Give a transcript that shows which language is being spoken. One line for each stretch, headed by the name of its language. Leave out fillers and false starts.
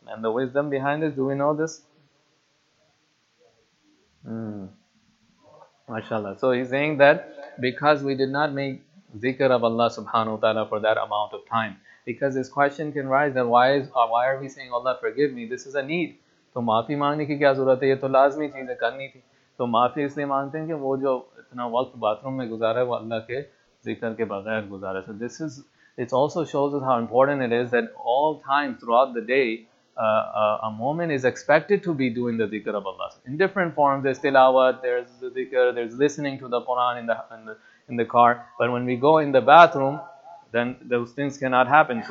English: And the wisdom behind this, do we know this? MashaAllah. So he's saying that because we did not make zikr of Allah subhanahu wa ta'ala for that amount of time. Because this question can rise, then why are we saying, Allah forgive me? This is a need.
Urdu: سو معافی مانگنے کی کیا ضرورت ہے؟ یہ تو لازمی چیز ہے، کرنی تھی۔ سو معافی اس لیے مانگتے ہیں کہ وہ جو اتنا وقت باتھروم میں گزارا ہے، وہ اللہ کے ذکر کے بغیر گزارا۔
English: So this is, it also shows us how important it is that all time throughout the day, a moment is expected to be doing the zikr of Allah. In different forms, there's tilawat, there's the zikr, there's listening to the Quran in the car. But when we go in the bathroom, then those things cannot happen.